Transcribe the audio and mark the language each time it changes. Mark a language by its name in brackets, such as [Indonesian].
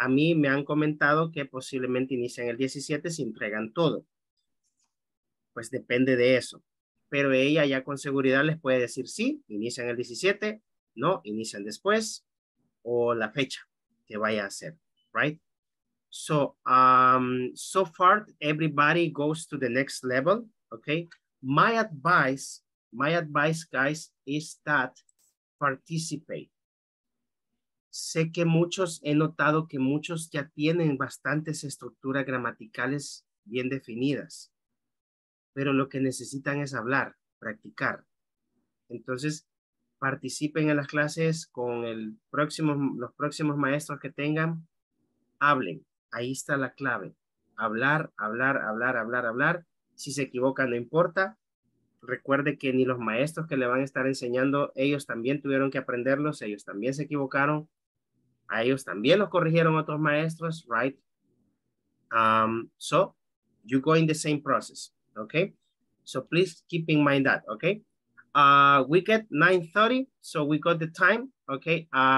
[Spanish] A mí me han comentado que posiblemente inician el 17 si entregan todo. Pues depende de eso. Pero ella ya con seguridad les puede decir sí, inician el 17, no, inician después, o la fecha que vaya a ser, right? [English] So, so far, everybody goes to the next level, okay? My advice, guys, is that participate. [Spanish] Sé que muchos, he notado que muchos ya tienen bastantes estructuras gramaticales bien definidas. Pero lo que necesitan es hablar, practicar. Entonces, participen en las clases con los próximos maestros que tengan. Hablen. Ahí está la clave. Hablar. Si se equivoca, no importa. Recuerde que ni los maestros que le van a estar enseñando, ellos también tuvieron que aprenderlos. Ellos también se equivocaron. A ellos también los corrigieron otros maestros, right? [English] So, you go in the same process. Okay, so please keep in mind that, okay? We get 9:30, so we got the time, okay?